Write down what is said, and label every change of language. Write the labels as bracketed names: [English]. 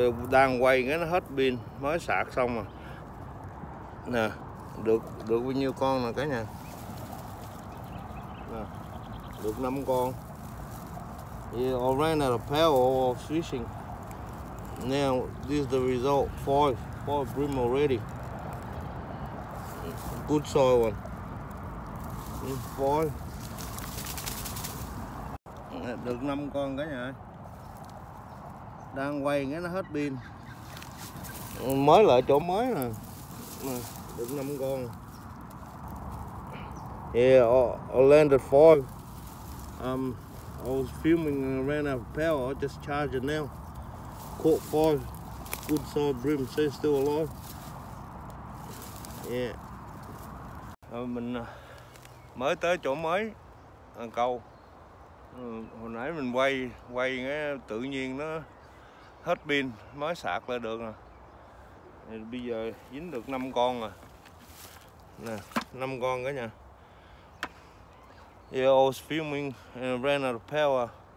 [Vietnamese] Đang quay cái nó hết pin, mới sạc xong rồi. Nè, được bao nhiêu con nè cả nhà. Nè, được 5 con. [English] Yeah, I ran out of power while fishing. Now this is the result. Five bream already. Good size one. [Vietnamese] Five. Được 5 con cả nhà. Đang quay cái nó hết pin. Mới lại chỗ mới nè. Được 5 con. [English] Yeah, I landed 5. I was filming and I ran out of power. I just charged it now. Caught 5. Good side bream. So still alive. [Vietnamese] Yeah. Mình mới tới chỗ mới câu. Hồi nãy mình quay cái tự nhiên nó hết pin, mới sạc lại được rồi. Bây giờ dính được 5 con rồi. Nè, 5 con cả nhà. [English] Yeah, I was filming and ran out of power.